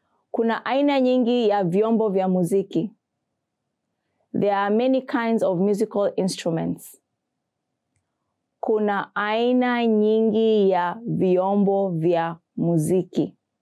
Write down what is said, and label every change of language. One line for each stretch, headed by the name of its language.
Swahili: Kuna aina nyingi ya vyombo vya muziki.
English: There are many kinds of musical instruments.
Swahili: Kuna aina nyingi ya vyombo vya muziki.